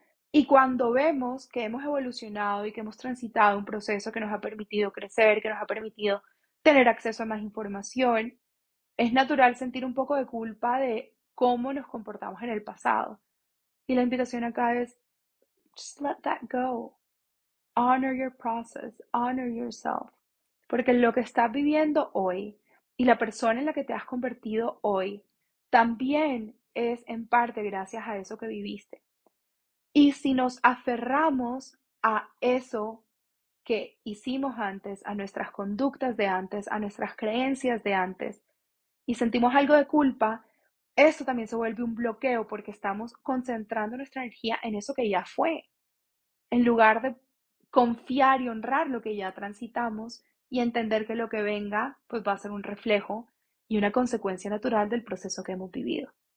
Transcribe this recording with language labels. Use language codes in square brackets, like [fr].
[es] Y cuando vemos que hemos evolucionado y que hemos transitado un proceso que nos ha permitido crecer, que nos ha permitido tener acceso a más información, es natural sentir un poco de culpa de cómo nos comportamos en el pasado. Y la invitación acá es, [en] just let that go. Honor your process, honor yourself. [es] Porque lo que estás viviendo hoy y la persona en la que te has convertido hoy también es en parte gracias a eso que viviste. Y si nos aferramos a eso que hicimos antes, a nuestras conductas de antes, a nuestras creencias de antes, y sentimos algo de culpa, eso también se vuelve un bloqueo porque estamos concentrando nuestra energía en eso que ya fue, en lugar de confiar y honrar lo que ya transitamos y entender que lo que venga pues va a ser un reflejo y una consecuencia natural del proceso que hemos vivido.